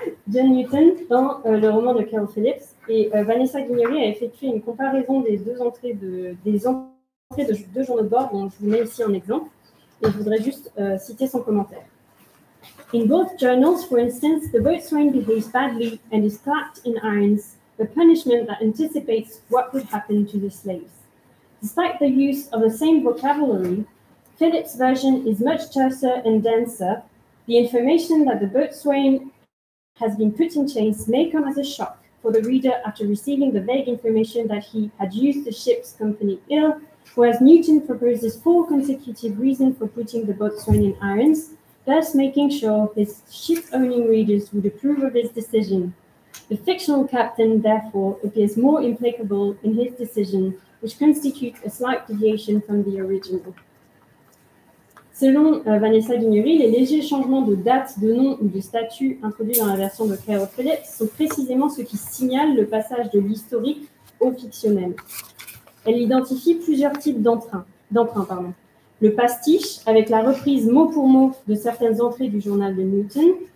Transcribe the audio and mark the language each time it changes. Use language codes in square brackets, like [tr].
[fr] John Newton dans le roman de Carol Phillips. Et Vanessa Guignori a effectué une comparaison des deux entrées de journaux de bord, dont je vous mets ici un exemple, et je voudrais juste citer son commentaire. [en] In both journals, for instance, the boatswain behaves badly and is clapped in irons, a punishment that anticipates what would happen to the slaves. Despite the use of the same vocabulary, Philip's version is much terser and denser. The information that the boatswain has been put in chains may come as a shock for the reader after receiving the vague information that he had used the ship's company ill, whereas Newton proposes four consecutive reasons for putting the boatswain in irons, thus making sure his ship-owning readers would approve of his decision. The fictional captain, therefore, appears more implacable in his decision, which constitutes a slight deviation from the original. [fr] Selon Vanessa Guignori, les légers changements de date, de nom ou de statut introduits dans la version de Carol Phillips sont précisément ceux qui signalent le passage de l'historique au fictionnel. Elle identifie plusieurs types d'emprunt. Le pastiche, avec la reprise mot pour mot de certaines entrées du journal de Newton.